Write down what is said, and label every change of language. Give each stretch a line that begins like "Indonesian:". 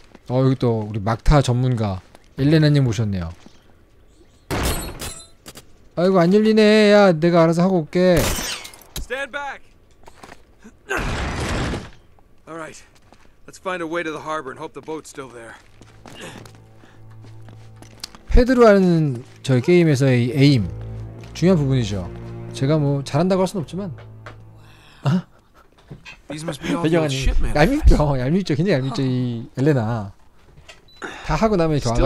Korean: 여기 또 우리 막타 전문가 엘레나님 오셨네요. 아이고 안 열리네. 야, 내가 알아서 하고 올게.
English: Stand back. All right. Let's find a way to the harbor and hope the boat's still there.
Korean: 패드로라는 저희 게임에서의 에임 중요한 부분이죠. 제가 뭐 잘한다고 할 순 없지만. 얄밉죠. 굉장히 얄밉죠. 이 엘레나 다 하고 나면 이렇게 와가지고.